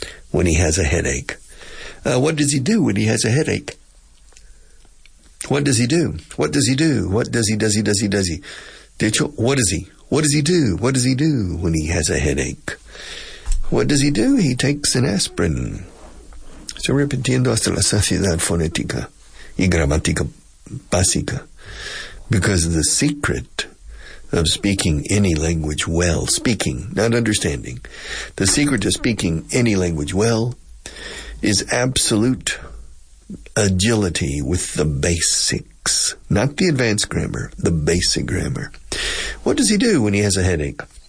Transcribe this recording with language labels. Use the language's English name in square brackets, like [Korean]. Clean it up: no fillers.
[English] What does he do when he has a headache? What does he do? What does he do? What does he, does he, does he, does he? [Spanish] De hecho, [English] what does he? What does he do? What does he do when he has a headache? What does he do? He takes an aspirin. [Spanish] Estoy repitiendo hasta la saciedad fonética y gramática básica. [English] Because the secret of speaking any language well, speaking, not understanding, the secret to speaking any language well is absolute agility with the basics. Not the advanced grammar, the basic grammar. What does he do when he has a headache?